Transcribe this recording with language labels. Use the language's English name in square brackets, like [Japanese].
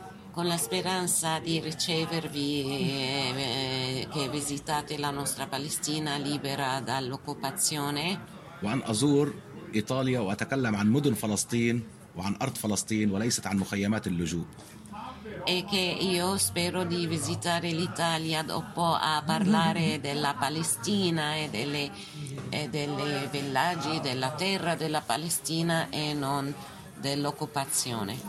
[Italian] Con la speranza di ricevervi che visitate la nostra Palestina libera dall'occupazione. [Arabic] وأن أزور إيطاليا وأتكلم عن مدن فلسطين وعن أرض فلسطين وليست عن مخيمات اللجوء. [Italian] E che io spero di visitare l'Italia dopo a parlare della Palestina e delle villaggi della terra della Palestina e non dell'occupazione.